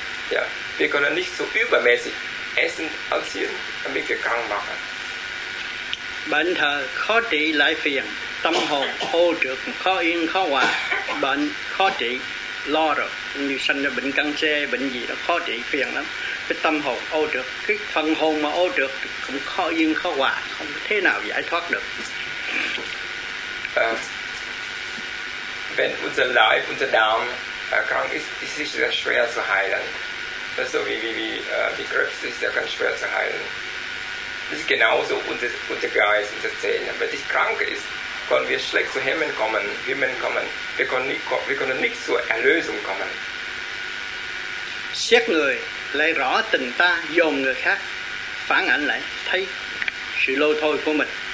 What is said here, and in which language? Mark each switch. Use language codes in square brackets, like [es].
[de] Ja, wir können nicht so übermäßig essen, anziehen, damit wir krank machen. [vi] Bệnh thờ khó trị lại phiền, tâm hồn ô trược, khó yên khó hòa, bệnh khó trị, lo rồi, như sanh ra bệnh căng xe, bệnh gì đó khó trị, phiền lắm. Cái tâm hồn ô trược, cái phần hồn mà ô trược cũng khó yên khó hòa, không thế nào giải thoát được. [de] Wenn unser Leib, unser Darm krank ist, ist es sehr schwer zu heilen. Das ist so wie Krebs, ist ja ganz schwer zu heilen. Das ist genauso unser Geist, unsere Zähne. Wenn ich krank ist, können wir schlecht zu Himmel kommen, Himmel kommen. Wir können nicht zur Erlösung kommen. [vi] Xét người lại rõ tình ta, dồn người khác, phản ảnh lại thấy sự lôi thôi của mình.